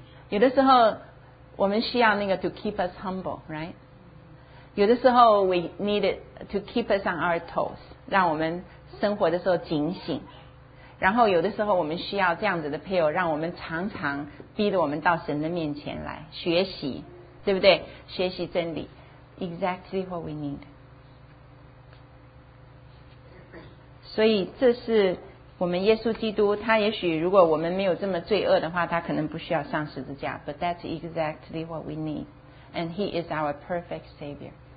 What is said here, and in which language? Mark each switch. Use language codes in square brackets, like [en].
[zh] 有的时候我们需要那个 [en] to keep us humble， [zh] right？有的时候 [en] we need it to keep us on our toes， [zh] 让我们生活的时候警醒。然后有的时候我们需要这样子的配偶，让我们常常逼着我们到神的面前来学习，对不对？学习真理。 [en] Exactly what we need。 [zh] 所以这是我们耶稣基督，他也许如果我们没有这么罪恶的话，他可能不需要上十字架， [en] But that's exactly what we need and he is our perfect savior.